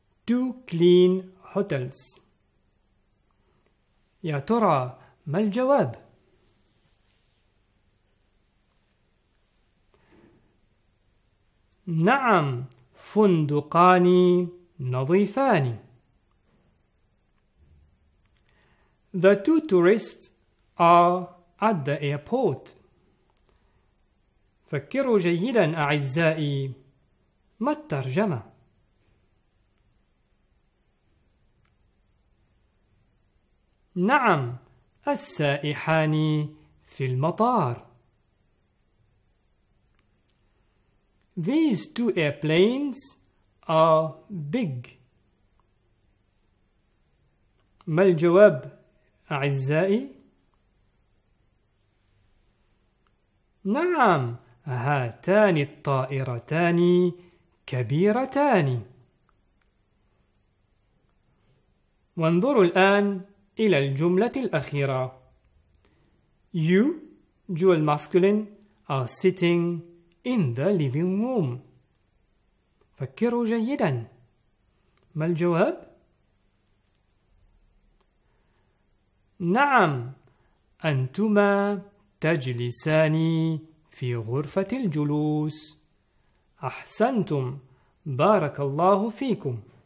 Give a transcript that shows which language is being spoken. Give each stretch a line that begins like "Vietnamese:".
English: Two clean hotels.
Arabic: يا ترى ما الجواب؟ نعم، فندقان نظيفان.
English: The two tourists are at the airport.
Arabic: فكروا جيدا أعزائي، ما الترجمة؟ نعم، السائحان في المطار.
English: These two airplanes are big.
Arabic: ما الجواب أعزائي؟ نعم، هاتان الطائرتان كبيرتان. وانظروا الآن إلى الجملة الأخيرة.
English: You, dual masculine, are sitting in the living room.
Arabic: فكروا جيدا. ما الجواب؟ نعم، أنتما تجلسان في غرفة الجلوس. أحسنتم، بارك الله فيكم.